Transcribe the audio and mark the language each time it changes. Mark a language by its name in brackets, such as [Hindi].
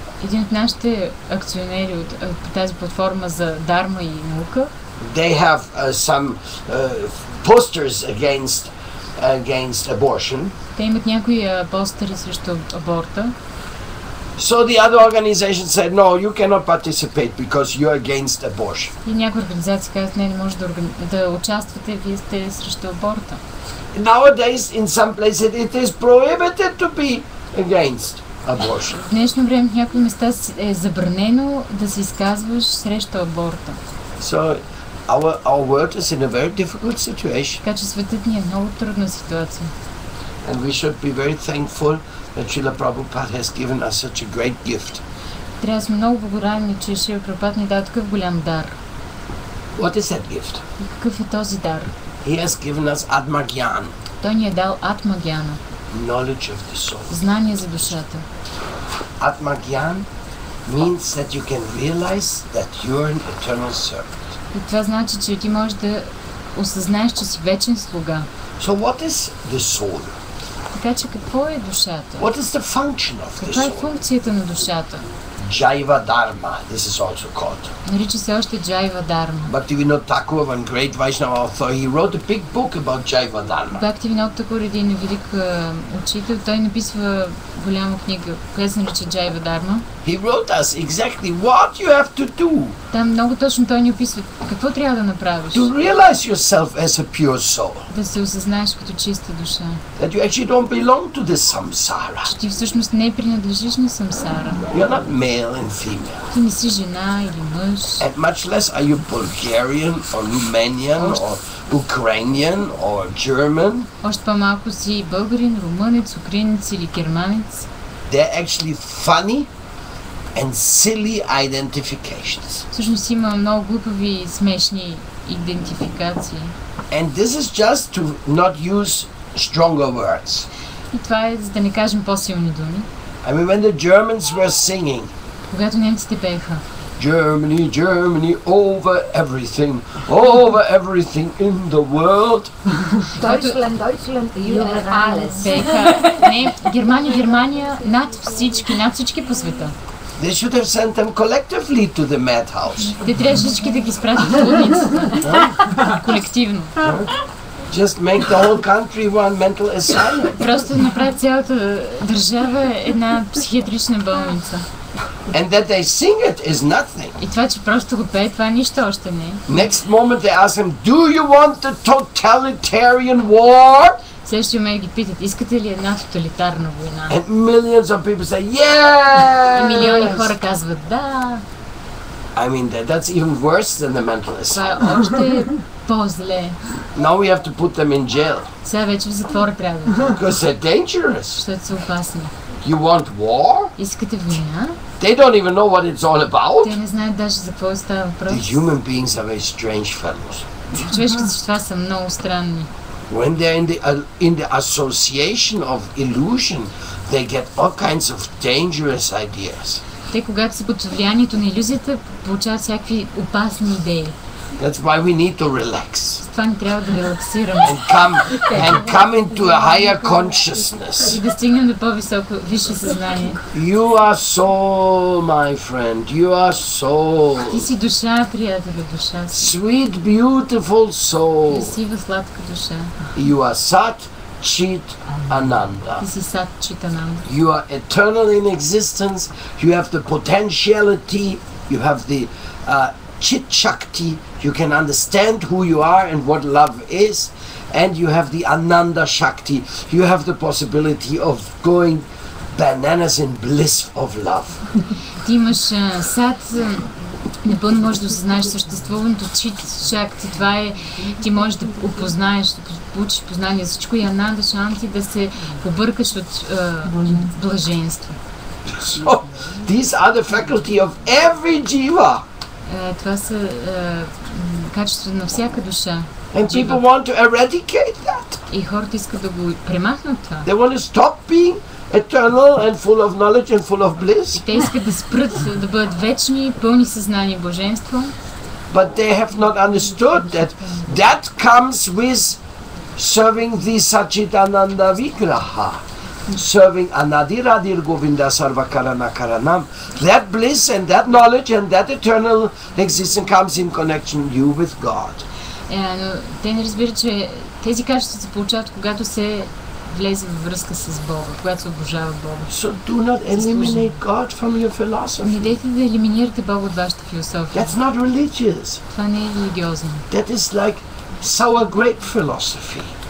[Bulgarian] Един от нашите акционери от тази платформа за дарма и наука. [English] They have some posters against abortion. [Bulgarian] Те имат някои постери срещу аборта. [English] So the other organization said, no, you cannot participate because you're against abortion. [Bulgarian] И някои организации казват, не може да участвате, вие сте срещу аборта. [English] Nowadays, in some places, it is prohibited to be against abortion. [Bulgarian] В днешно време в някои места е забранено да се изказваш срещу аборта. [English] So our world is in a very difficult situation. [Bulgarian] Така че светът ни е много трудна ситуация. [English] And we should be very thankful that Srila Prabhupada has given us such a great gift. [Bulgarian] Трябва да сме много благодарни, че Шрила Прабхупада ни даде такъв голям дар. [English] What is that gift? [Bulgarian] Какъв е този дар? [English] He has given us Atmagyan. [Bulgarian] Той ни е дал Атмагьяна. [English] Knowledge of the soul. [Bulgarian] Знание за душата. [English] Atmagyan means that you can realize that you are an eternal servant. [Bulgarian] И това значи, че ти можеш да осъзнаеш, че си вечен слуга. [English] So what is the soul? [Bulgarian] Така че какво е душата? [English] What is the function of the soul? [Bulgarian] Каква е функцията на душата? [English] Jaiva Dharma, this is also called. [Bulgarian] Нарича се още Jaiva Dharma. [English] Bhaktivinoda Thakur, one great Vaishnava author, he wrote a big book about Jaiva Dharma. [Bulgarian] Bhaktivinoda Thakur, един велик учител, той написва голяма книга, която се нарича Jaiva Dharma. [English] He wrote us exactly what you have to do. [Bulgarian] Там много точно той ни описва какво трябва да направиш. [English] To realize yourself as a pure soul. [Bulgarian] Да се осъзнаеш като чиста душа. [English] That you actually don't belong to this samsara. [Bulgarian] Ти всъщност не принадлежиш на самсара. [English] Male and female. [Bulgarian] Ти не си жена или мъж. [English] And much less are you Bulgarian or Romanian or Ukrainian or German. [Bulgarian] Още по-малко си българин, румънец, украинец или германец. [English] They're actually funny and silly identifications. [Bulgarian] Всъщност има много глупави и смешни идентификации. [English] And this is just to not use stronger words. [Bulgarian] И това е за да не кажем по-силни думи. [English] I mean, when the Germans were singing, [Bulgarian] когато немците пееха, [English] Germany, Germany, over everything, over everything in the world. [German] Deutschland, Deutschland, über alles. [Bulgarian] Пееха, Германия, Германия, над всички, над всички по света. [English] They should have sent them collectively to the madhouse. [Bulgarian] Те трябваше всички да ги спратят в лудницата. Колективно. [English] Just make the whole country one mental asylum. [Bulgarian] Просто направи цялата държава една психиатрична болница. [English] And that they sing it is nothing. [Bulgarian] И това, че просто го пее, това нищо още не. [English] Next moment they ask him, do you want the totalitarian war? [Bulgarian] Следващия момент ги питат, искате ли една тоталитарна война? [English] And millions of people say, yes! [Bulgarian] И милиони хора казват, да. [English] I mean, that's even worse than the mental asylum. [Bulgarian] Това още е по-зле. [English] Now we have to put them in jail. [Bulgarian] Сега вече в затвор трябва. [English] Because they're dangerous. [Bulgarian] Защото са опасни. [English] You want war? [Bulgarian] Искате война? [English] They don't even know what it's all about. [Bulgarian] Те не знаят даже за какво става въпрос. [English] The human beings are very strange fellows. [Bulgarian] Човешките същества са много странни. [English] When they're in the association of illusion, they get all kinds of dangerous ideas. [Bulgarian] Те, когато са под влиянието на иллюзията, получават всякакви опасни идеи. [English] That's why we need to relax. [Bulgarian] Това ни трябва да релаксираме. [English] And come into a higher consciousness. [Bulgarian] И да стигнем до по-високо, висше съзнание. [English] You are soul, my friend. You are soul. [Bulgarian] Ти си душа, приятеле, душа. [English] Sweet, beautiful soul. [Bulgarian] Красива, сладка душа. [English] You are sat. Chit Ananda. [Bulgarian] Ти си сат Чит Ананда. [English] You are eternal in existence. You have the potentiality. You have the Chit Shakti. You can understand who you are and what love is. And you have the Ananda Shakti. You have the possibility of going bananas in bliss of love. [Bulgarian] Ти имаш сат. Непълно можеш да осъзнаеш съществуването. Чит Шакти, това е, ти можеш да опознаеш, да получиш познание за всичко и Ананда Шанти да се побъркаш от блаженство. [English] So, these are the faculty of every jiva. [Bulgarian] Това са качеството на всяка душа. [English] And people want to eradicate that. [Bulgarian] И хората искат да го премахнат това. [English] They want to stop being eternal and full of knowledge and full of bliss. [Bulgarian] Те искат да спрат да бъдат вечни, пълни съзнание, блаженство. [English] But they have not understood that comes with serving the Sachidananda Vigraha. [Sanskrit] Serving Anadiradir Govinda Sarvakarana Karanam. [English] That bliss and that knowledge and that eternal existence comes in connection you with God. [Bulgarian] Но те не разбират, че тези качества се получават, когато се влезе във връзка с Бога, когато се обожава Бога. [English] So do not eliminate God from your philosophy. [Bulgarian] Не дейте да елиминирате Бога от вашата философия. [English] That's not religious. [Bulgarian] Това не е религиозно. [English] That is like sour grape philosophy.